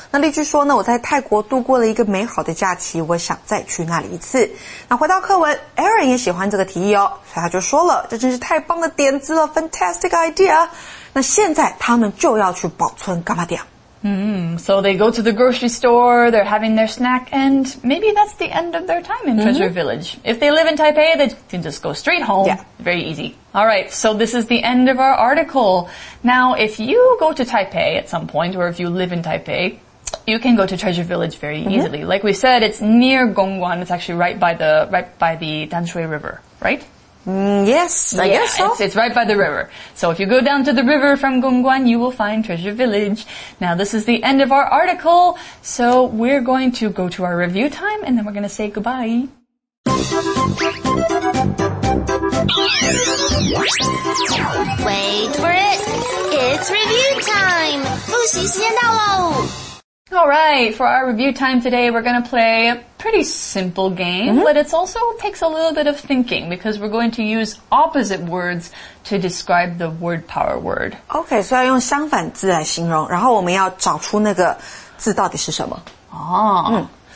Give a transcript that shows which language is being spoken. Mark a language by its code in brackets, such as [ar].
[zh] 那例句说呢我在泰国度过了一个美好的假期我想再去那里一次。那回到课文 Aaron 也喜欢这个提议哦所以他就说了这真是太棒的点子了 [en] fantastic idea。 [zh] 那现在他们就要去保存干嘛点。 [en] So they go to the grocery store, they're having their snack, and maybe that's the end of their time in Treasure Village. If they live in Taipei, they can just go straight home. Yeah. Very easy. All right, so this is the end of our article. Now, if you go to Taipei at some point, or if you live in Taipei, you can go to Treasure Village very easily. Like we said, it's near Gongguan. It's actually right by the Danshui River, right? Yes, I guess so. It's right by the river. So if you go down to the river from Gongguan, you will find Treasure Village. Now, this is the end of our article. So we're going to go to our review time, and then we're going to say goodbye. Wait for it. It's review time. [zh] 复习时间到喽。 [en] All right, for our review time today, we're going to play a pretty simple game, but it also takes a little bit of thinking because we're going to use opposite words to describe the word power word. [zh] Okay, 所以要用相反字来形容，然后我们要找出那个字到底是什么。